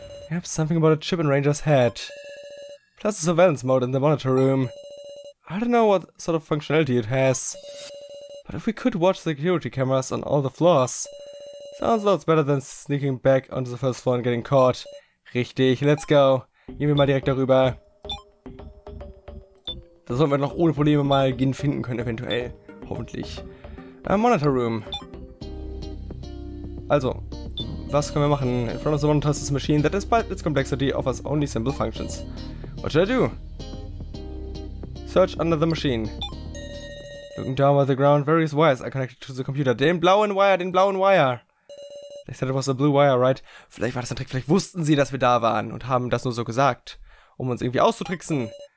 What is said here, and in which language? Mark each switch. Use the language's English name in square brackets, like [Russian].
[English] Yep, something about a chip in Ranger's head. Plus a surveillance mode in the monitor room. I don't know what sort of functionality it has. But if we could watch security cameras on all the floors. Sounds lots better than sneaking back onto the first floor and getting caught. [German] Richtig, [English] let's go. [German] Gehen wir mal direkt darüber. Da sollten wir noch ohne Probleme mal Gin finden können, eventuell. Hoffentlich. Monitor Room. Also, was können wir machen? [English] In front of the monitor is a machine that despite its complexity offers only simple functions. What should I do? Search under the machine. Looking down at the ground, various wires are connected to the computer. [German] Den blauen Wire, den blauen Wire. [English] They said it was a blue wire, right? [German] Vielleicht war das ein Trick, vielleicht wussten sie, dass wir da waren und haben das nur so gesagt, um uns irgendwie auszutricksen.